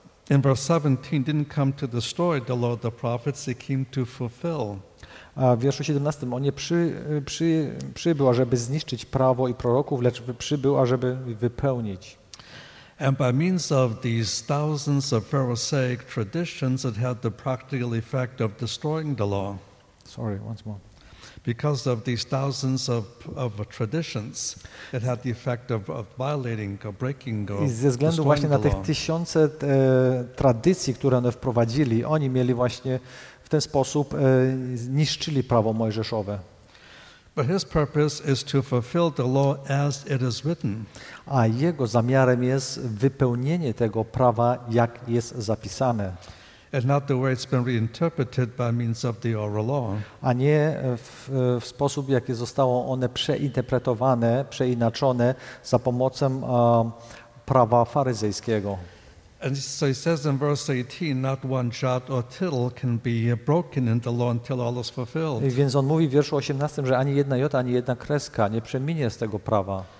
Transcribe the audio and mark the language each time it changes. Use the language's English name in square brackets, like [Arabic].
[English] in verse 17 didn't come to destroy the law of the prophets, he came to fulfill. [Polish] A w wierszu 17 on nie przybył, ażeby zniszczyć prawo i proroków, lecz przybył, ażeby wypełnić. [English] And by means of these thousands of Pharisaic traditions, it had the practical effect of destroying the law. Sorry, once more. Because of these thousands of traditions, it had the effect of violating or breaking or [Polish] ze względu właśnie na tych tysiące tradycji, które one wprowadzili, oni mieli właśnie w ten sposób zniszczyli prawo mojżeszowe. [English] But his purpose is to fulfill the law as it is written. [Polish] A jego zamiarem jest wypełnienie tego prawa, jak jest zapisane. [English] And not the way it's been reinterpreted by means of the oral law. [Polish] A nie w sposób, jaki zostało one przeinterpretowane, przeinaczone za pomocą prawa faryzejskiego. [English] And so he says in verse 18, not one jot or tittle can be broken in the law until all is fulfilled. [Polish] I więc on mówi w wierszu 18, że ani jedna jota, ani jedna kreska nie przeminie z tego prawa.